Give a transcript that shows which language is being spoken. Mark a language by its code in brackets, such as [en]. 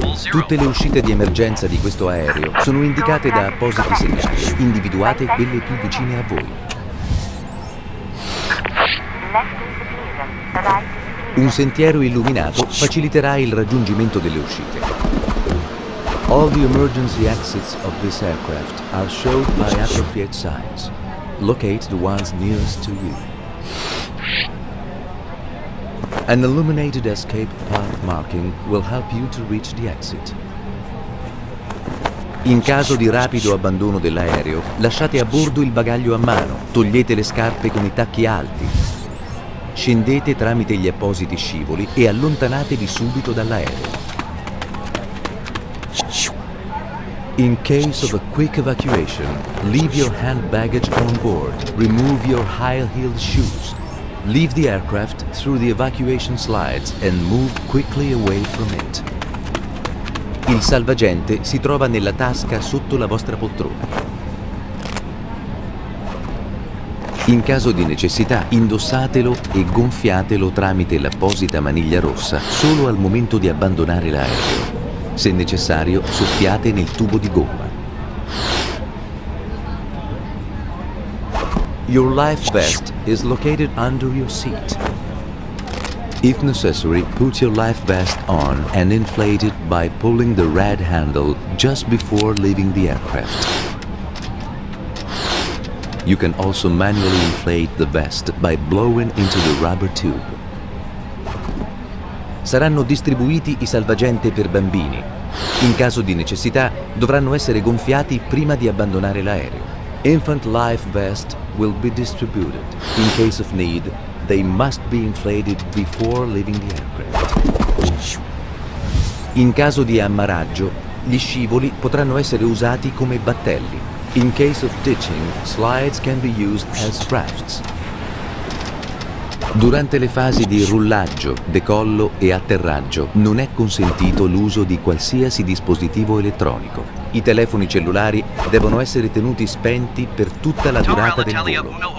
[it] Tutte le uscite di emergenza di questo aereo sono indicate da appositi segnali. Individuate quelle più vicine a voi. Un sentiero illuminato faciliterà il raggiungimento delle uscite. [en] All the emergency exits of this aircraft are shown by appropriate signs. Locate the ones nearest to you. An illuminated escape path marking will help you to reach the exit. [it] In caso di rapido abbandono dell'aereo, lasciate a bordo il bagaglio a mano, togliete le scarpe con i tacchi alti, scendete tramite gli appositi scivoli e allontanatevi subito dall'aereo. [en] In case of a quick evacuation, leave your hand baggage on board. Remove your high-heeled shoes. Leave the aircraft through the evacuation slides and move quickly away from it. [it] Il salvagente si trova nella tasca sotto la vostra poltrona. In caso di necessità, indossatelo e gonfiatelo tramite l'apposita maniglia rossa solo al momento di abbandonare l'aereo. Se necessario, soffiate nel tubo di gomma. [en] Your life vest is located under your seat. If necessary, put your life vest on and inflate it by pulling the red handle just before leaving the aircraft. You can also manually inflate the vest by blowing into the rubber tube. [it] Saranno distribuiti i salvagente per bambini. In caso di necessità, dovranno essere gonfiati prima di abbandonare l'aereo. [en] Infant life vest will be distributed. In case of need, they must be inflated before leaving the aircraft. [it] In caso di ammaraggio, gli scivoli potranno essere usati come battelli. [en] In case of ditching, slides can be used as rafts. [it] Durante le fasi di rullaggio, decollo e atterraggio, non è consentito l'uso di qualsiasi dispositivo elettronico. I telefoni cellulari devono essere tenuti spenti per tutta la durata del volo.